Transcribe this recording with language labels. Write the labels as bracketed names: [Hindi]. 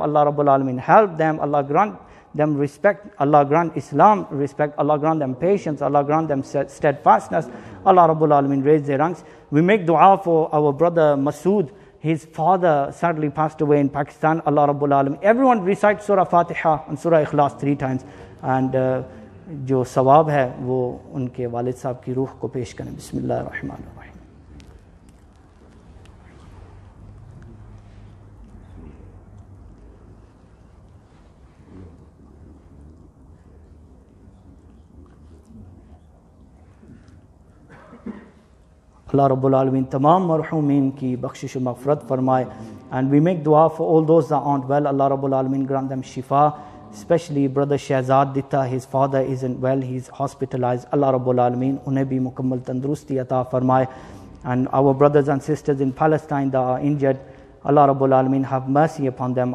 [English] Allah Rabbul Alameen, help them. Allah grant them respect. Allah grant Islam respect. Allah grant them patience. Allah grant them steadfastness. Allah Rabbul Alameen, raise their ranks. We make dua for our brother Masood. His father sadly passed away in Pakistan. Allah Rabbul Alameen. Everyone recite Surah Fatiha and Surah Ikhlas 3 times. [Urdu] And جو ثواب ہے وہ ان کے والد صاحب کی روح کو پیش کریں. [Arabic] بسم اللہ الرحمن الرحیم. [Urdu] اللہ رب العالمین تمام مرحومین کی بخشش و مغفرت فرمائے. [English] And we make dua for all those that aren't well. Allah رب العالمین grant them shifa. Especially brother Shahzad Ditta, his father isn't well, he's hospitalized. Allah Rabbul Alameen, [Urdu] unhe bhi mukammal tandrusti ata farmaye. [English] And our brothers and sisters in Palestine that are injured, Allah Rabbul Alameen, have mercy upon them.